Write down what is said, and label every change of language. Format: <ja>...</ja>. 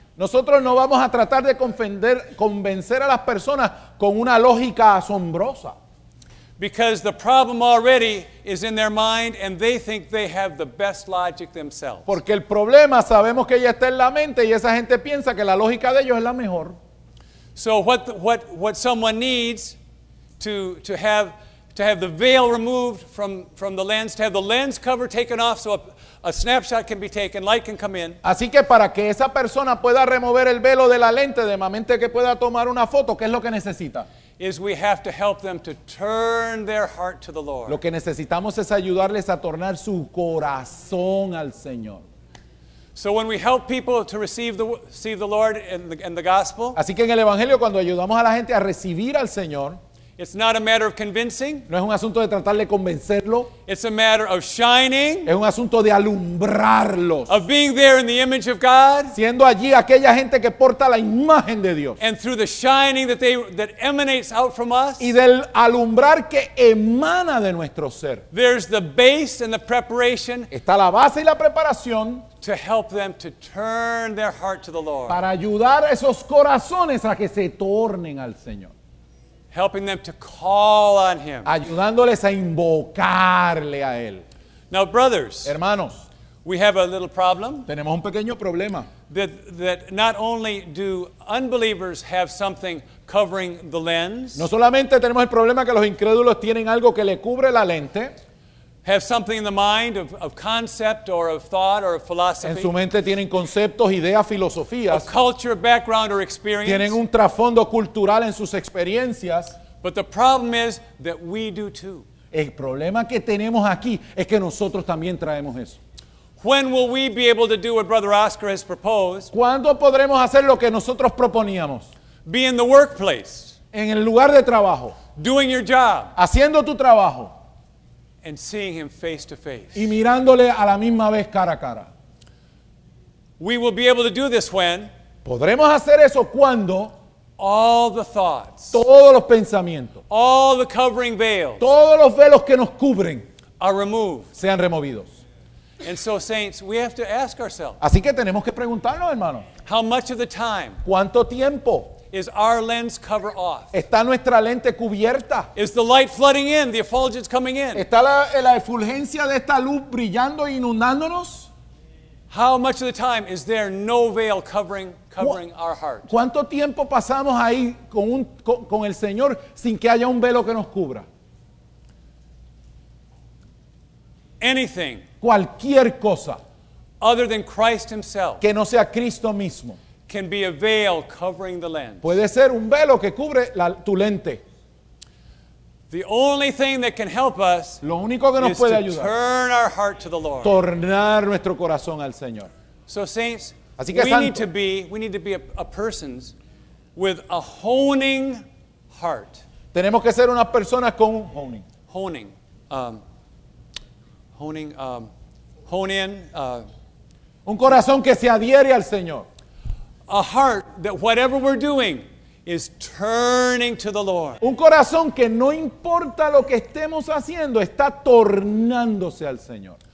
<es>Nosotros no vamos a tratar de convencer a las personas con una lógica asombrosa.</es> <en>Because the problem already is in their mind and they think they have the best logic themselves.</en> <es>Porque el problema sabemos que ya está en la mente y esa gente piensa que la lógica de ellos es la mejor.</es> <en>So what someone needs to have the veil removed from the lens, to have the lens cover taken off so a snapshot can be taken, light can come in.</en> <es>Así que para que esa persona pueda remover el velo de la lente de manera que pueda tomar una foto, ¿qué es lo que necesita?</es> <en>Is we have to help them to turn their heart to the Lord.</en> <es>Lo que necesitamos es ayudarles a tornar su corazón al Señor.</es> <en>So when we help people to receive the Lord and the gospel,</en> <es>así que en el evangelio cuando ayudamos a la gente a recibir al Señor,</es> <en>it's not a matter of convincing.</en> <es>No es un asunto de tratar de convencerlo.</es> <en>It's a matter of shining.</en> <es>Es un asunto de alumbrarlos.</es> <en>Of being there in the image of God.</en> <es>Siendo allí aquella gente que porta la imagen de Dios.</es> <en>And through the shining that emanates out from us.</en> <es>Y del alumbrar que emana de nuestro ser.</es> <en>There's the base and the preparation.</en> <es>Está la base y la preparación.</es> <en>To help them to turn their heart to the Lord.</en> <es>Para ayudar a esos corazones a que se tornen al Señor.</es> <en>Helping them to call on him.</en> <es>Ayudándoles a invocarle a él.</es> <en>Now, brothers.</en> <es>Hermanos.</es> <en>We have a little problem.</en> <es>Tenemos un pequeño problema.</es> <en>That not only do unbelievers have something covering the lens.</en> <es>No solamente tenemos el problema que los incrédulos tienen algo que le cubre la lente.</es> <en>Have something in the mind of concept or of thought or of philosophy.</en> <es>En su mente tienen conceptos, ideas, filosofías.</es> <en>A culture, background or experience.</en> <es>Tienen un trasfondo cultural en sus experiencias.</es> <en>But the problem is that we do too.</en> <es>El problema que tenemos aquí es que nosotros también traemos eso.</es> <en>When will we be able to do what Brother Oscar has proposed?</en> <es>¿Cuándo podremos hacer lo que nosotros proponíamos?</es> <en>Be in the workplace.</en> <es>En el lugar de trabajo.</es> <en>Doing your job.</en> <es>Haciendo tu trabajo.</es> <en>And seeing him face to face.</en> <es>Y mirándole a la misma vez cara a cara.</es> <en>We will be able to do this when.</en> <es>Podremos hacer eso cuando.</es> <en>All the thoughts.</en> <es>Todos los pensamientos.</es> <en>All the covering veils.</en> <es>Todos los velos que nos cubren.</es> <en>Are removed.</en> <es>Sean removidos.</es> <en>And so, saints, we have to ask ourselves.</en> <es>Así que tenemos que preguntarnos, hermanos.</es> <en>How much of the time.</en> <es>¿Cuánto tiempo?</es> <en>Is our lens cover off?</en> <es>¿Está nuestra lente cubierta?</es> <en>Is the light flooding in, the effulgence coming in?</en> <es>¿Está la efulgencia de esta luz brillando e inundándonos?</es> <en>How much of the time is there no veil covering our heart?</en> <es>¿Cuánto tiempo pasamos ahí con el Señor sin que haya un velo que nos cubra?</es> <en>Anything.</en> <es>Cualquier cosa.</es> <en>Other than Christ himself.</en> <es>Que no sea Cristo mismo.</es> <en>Can be a veil covering the lens.</en> <es>Puede ser un velo que cubre tu lente.</es> <en>The only thing that can help us.</en> <es>Lo único que nos puede ayudar.</es> <en>Is to turn our heart to the Lord.</en> <es>Tornar nuestro corazón al Señor.</es> <en>So saints,</en> <es>así que,</es> <en>we need to be a persons with a honing heart.</en> <es>Tenemos que ser unas personas con honing.</es> <en>Honing. Honing. Hone in.</en> <es>Un corazón que se adhiere al Señor.</es> <en>A heart that whatever we're doing is turning to the Lord.</en> <es>Un corazón que no importa lo que estemos haciendo, está tornándose al Señor.</es>